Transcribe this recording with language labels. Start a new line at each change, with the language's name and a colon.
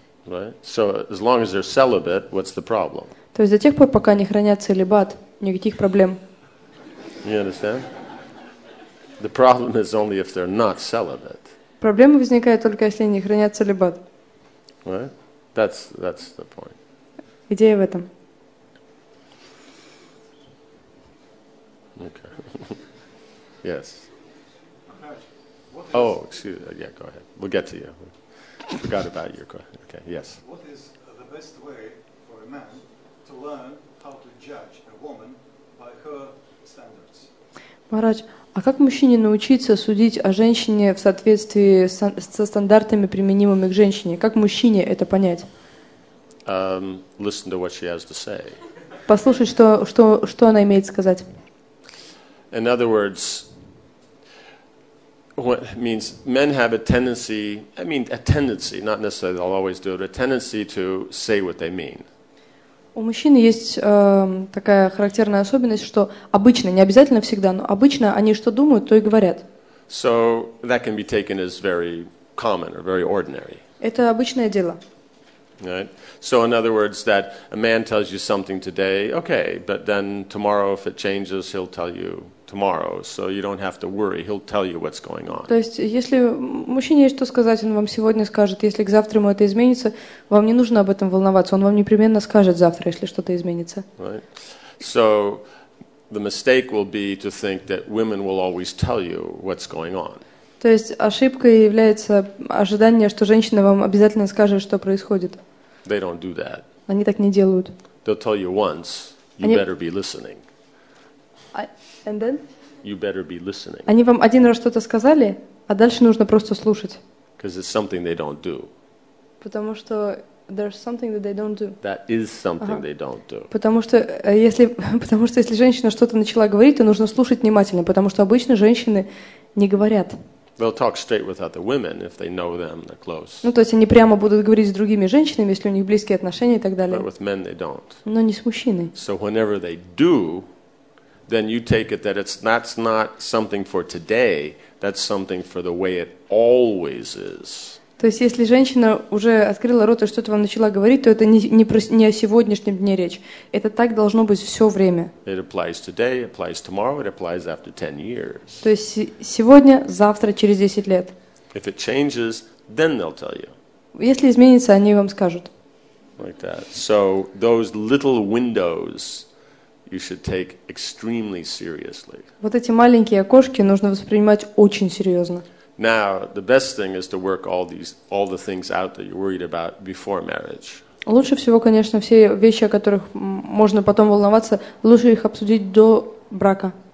English: Right, so as long as they're celibate, what's the problem?
Russian: То есть до тех пор, пока они хранят целибат, никаких проблем.
English: You understand? The problem is only if they're not celibate.
Russian: Проблема возникает только если они хранят целибат.
English: Right, that's the point.
Russian: Идея в этом.
English: Okay. Yes. Oh, excuse me. Yeah, go ahead. We'll get to you. Forgot about your question. Okay, yes. What is the best way for a man to learn how to judge a woman by her standards?
Russian: Maharaj, а как мужчине научиться судить о женщине в соответствии со стандартами, применимыми к женщине? Как мужчине это понять?
English: Listen to what she has to say.
Russian: Послушать, что она имеет сказать.
English: In other words, what means men have a tendency, I mean a tendency, not necessarily they'll always do it, a tendency to say what they mean.
Russian: У мужчин есть такая характерная особенность, что обычно, не обязательно всегда, но обычно они что думают, то и говорят.
English: So that can be taken as very common or very ordinary.
Russian: Это обычное дело.
English: Right. So in other words, that a man tells you something today, okay, but then tomorrow if it changes, he'll tell you tomorrow. So you don't have to worry. He'll tell you what's going on.
Russian: То есть, если мужчине есть что сказать, он вам сегодня скажет. Если к завтра ему это изменится, вам не нужно об этом волноваться. Он вам непременно скажет завтра, если что-то изменится.
English: Right. So the mistake will be to think that women will always tell you what's going on.
Russian: То есть ошибкой является ожидание, что женщина вам обязательно скажет, что происходит.
English: They don't do that.
Russian: Они так не делают.
English: They'll tell you once, you
Russian: Они...
English: better be listening. And then? You better be listening.
Russian: Они вам один раз что-то сказали, а дальше нужно просто слушать.
English: Because it's something they don't do.
Russian: Потому что
English: there's something that they don't do. That is something they don't do.
Russian: Потому что если женщина что-то начала говорить, то нужно слушать внимательно, потому что обычно женщины не говорят.
English: They'll talk straight with other women if they know them, they're close.
Russian: Ну, то есть они прямо будут говорить с другими женщинами, если у них близкие отношения и так далее.
English: But with men they don't.
Russian: Но не с мужчиной.
English: So whenever they do, then you take it that that's not something for today, that's something for the way it always is.
Russian: То есть если женщина уже открыла рот и что-то вам начала говорить, то это не о сегодняшнем дне речь. Это так должно быть все время.
English: It applies today, it applies tomorrow, it applies after 10 years.
Russian: То есть сегодня, завтра, через 10 лет.
English: If it changes, then they'll tell you.
Russian: Если изменится, они вам скажут.
English: Like that. So those little windows you should take extremely seriously.
Russian: Вот эти маленькие окошки нужно воспринимать очень серьезно.
English: Now, the best thing is to work all the things out that you're worried about before marriage.
Russian: Лучше всего, конечно, все вещи, о которых можно потом волноваться, лучше их обсудить до брака.